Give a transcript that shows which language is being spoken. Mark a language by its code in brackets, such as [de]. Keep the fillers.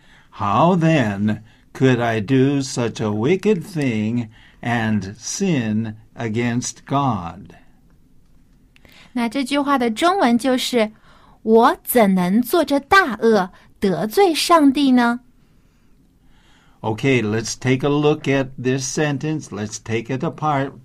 [en] How then could I do such a wicked thing and sin against God? [zh] 那这句话的中文就是：我怎能做着大恶得罪上帝呢 [en] ？Okay, let's take a look at this sentence. Let's take it apart.